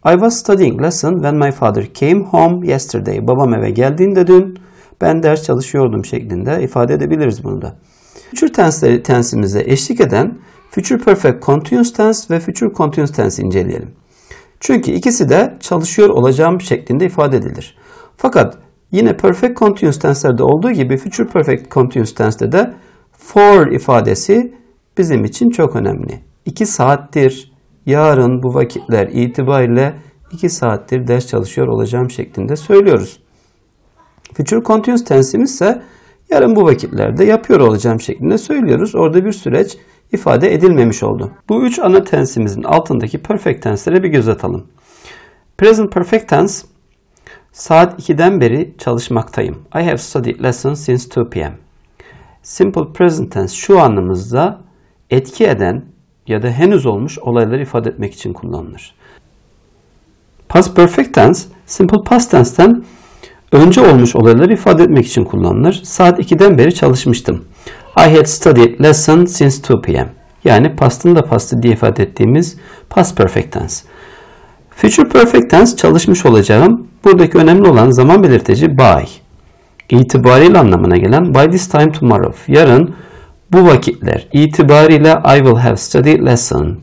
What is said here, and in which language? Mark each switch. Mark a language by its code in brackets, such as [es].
[en] I was studying lesson when my father came home yesterday. [tr] Babam eve geldiğinde dün ben ders çalışıyordum şeklinde ifade edebiliriz bunu da. Future tense'imize eşlik eden future perfect continuous tense ve future continuous tense'i inceleyelim. Çünkü ikisi de çalışıyor olacağım şeklinde ifade edilir. Fakat yine perfect continuous tense'lerde olduğu gibi future perfect continuous tense'de de for ifadesi bizim için çok önemli. 2 saattir yarın bu vakitler itibariyle 2 saattir ders çalışıyor olacağım şeklinde söylüyoruz. Future continuous tense'imiz ise yarın bu vakitlerde yapıyor olacağım şeklinde söylüyoruz. Orada bir süreç ifade edilmemiş oldu. Bu 3 ana tense'imizin altındaki perfect tense'lere bir göz atalım. Present perfect tense, saat 2'den beri çalışmaktayım. [en] I have studied lesson since 2 p.m. [tr] Simple present tense şu anımızda etki eden ya da henüz olmuş olayları ifade etmek için kullanılır. Past perfect tense, simple past tense'ten önce olmuş olayları ifade etmek için kullanılır. Saat 2'den beri çalışmıştım. [en] I had studied lesson since 2 p.m. [tr] Yani past'ın da past'ı diye ifade ettiğimiz past perfect tense. Future perfect tense çalışmış olacağım. Buradaki önemli olan zaman belirteci by. İtibariyle anlamına gelen [en] by this time tomorrow. [tr] Yarın bu vakitler itibariyle [en] I will have studied lesson.